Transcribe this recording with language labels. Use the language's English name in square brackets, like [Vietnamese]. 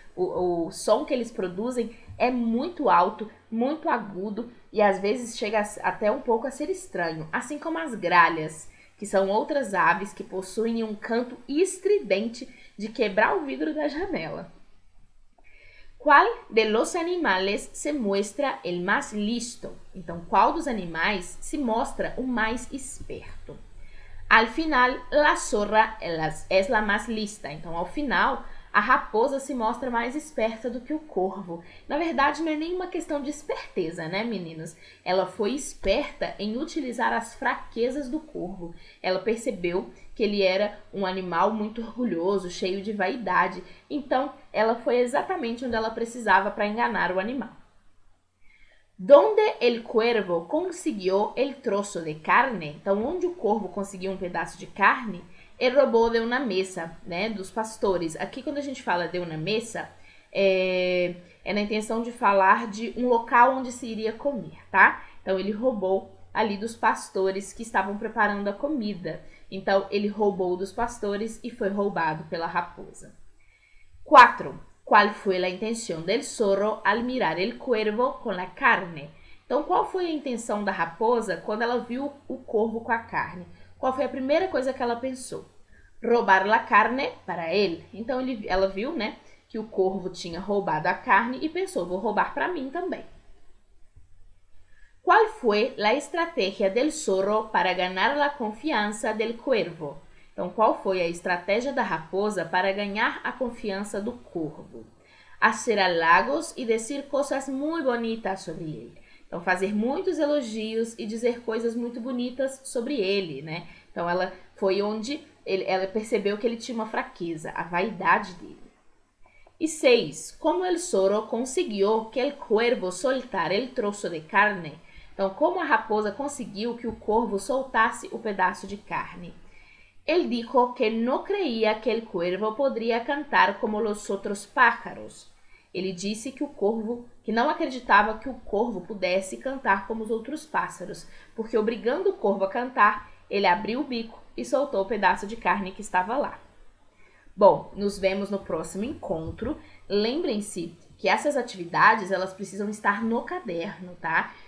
[Portuguese] O som que eles produzem é muito alto, muito agudo e às vezes chega até um pouco a ser estranho. Assim como as gralhas, que são outras aves que possuem um canto estridente de quebrar o vidro da janela. [Spanish] ¿Cuál de los animales se muestra el más listo? [Portuguese] Então, qual dos animais se mostra o mais esperto? [Spanish] Al final, la zorra es la más lista. [Portuguese] Então, ao final, a raposa se mostra mais esperta do que o corvo. Na verdade, não é nenhuma questão de esperteza, né, meninos? Ela foi esperta em utilizar as fraquezas do corvo. Ela percebeu que ele era um animal muito orgulhoso, cheio de vaidade. Então, ela foi exatamente onde ela precisava para enganar o animal. [Spanish] Donde el cuervo consiguió el trozo de carne? [Portuguese] Então, onde o corvo conseguiu um pedaço de carne? Ele roubou de [Spanish] una mesa, [Portuguese] né, dos pastores. Aqui, quando a gente fala de [Spanish] una mesa, [Portuguese] é na intenção de falar de um local onde se iria comer, tá? Então, ele roubou ali dos pastores que estavam preparando a comida. Então, ele roubou dos pastores e foi roubado pela raposa. 4. [Spanish] ¿Cuál fue la intención del zorro al mirar el cuervo con la carne? [Portuguese] Então, qual foi a intenção da raposa quando ela viu o corvo com a carne? Qual foi a primeira coisa que ela pensou? [Spanish] Roubar la carne para él. [Portuguese] Então, ela viu, né, que o corvo tinha roubado a carne e pensou, vou roubar para mim também. [Spanish] ¿Cuál fue la estrategia del zorro para ganar la confianza del cuervo? [Portuguese] Então, qual foi a estratégia da raposa para ganhar a confiança do corvo? [Spanish] Hacer halagos y decir cosas muy bonitas sobre ele. [Portuguese] Então, fazer muitos elogios e dizer coisas muito bonitas sobre ele, né? Então, ela foi onde ela percebeu que ele tinha uma fraqueza, a vaidade dele. E 6. [Spanish] Como el zorro consiguió que el cuervo soltara el trozo de carne? [Portuguese] Então, como a raposa conseguiu que o corvo soltasse o pedaço de carne? [Spanish] Él dijo que no creía que el cuervo podría cantar como los otros pájaros. [Portuguese] Ele disse que o corvo, que não acreditava que o corvo pudesse cantar como os outros pássaros, porque obrigando o corvo a cantar, ele abriu o bico e soltou o pedaço de carne que estava lá. Bom, nos vemos no próximo encontro. Lembrem-se que essas atividades, elas precisam estar no caderno, tá?